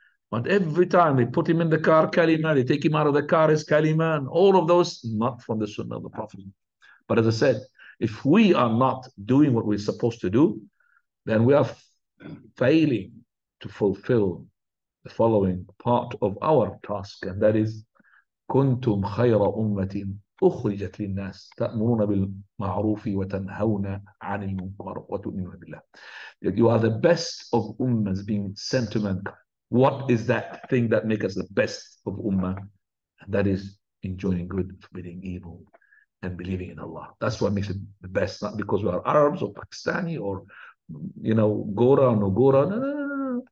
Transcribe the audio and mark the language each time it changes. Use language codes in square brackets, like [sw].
[en] But every time they put him in the car, kalima, they take him out of the car, is kalima, and all of those, not from the sunnah of the Prophet. But as I said, if we are not doing what we're supposed to do, then we are failing to fulfill the following part of our task, and that is, [ar] kuntum khayra ummatin. أخرجت للناس تأمرون بالمعروف وتنهون عن المنكر وتؤمنون بالله. [en] You are the best of ummas being sent to mankind. What is that thing that makes us the best of ummah? And that is enjoying good, forbidding evil, and believing in Allah. That's what makes it the best, not because we are Arabs or Pakistani or, you know, Gora or no Gora. No, no, no, no.